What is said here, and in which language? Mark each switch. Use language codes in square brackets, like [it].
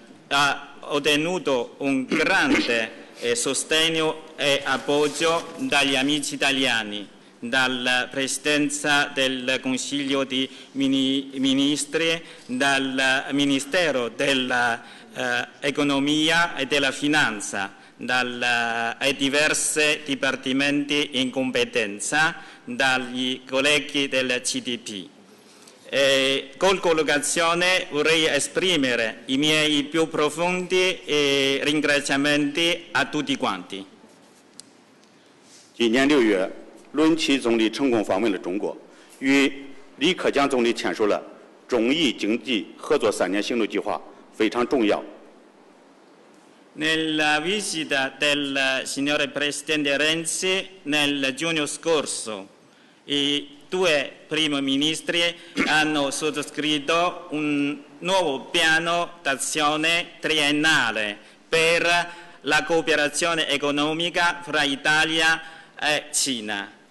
[it] Ho ottenuto un grande sostegno e appoggio dagli amici italiani, dalla Presidenza del Consiglio dei Ministri, dal Ministero dell'Economia e della Finanza, ai diversi dipartimenti in competenza, dagli colleghi del CDP. E con collocazione vorrei esprimere i miei più profondi ringraziamenti a tutti quanti. [zh] 今年六月，伦齐总理成功访问了中国，与李克强总理签署了中意经济合作三年行动计划，非常重要。 [it] Nella visita del signore Presidente Renzi nel giugno scorso, due primi ministri hanno sottoscritto un nuovo piano d'azione triennale per la cooperazione economica fra Italia e Cina.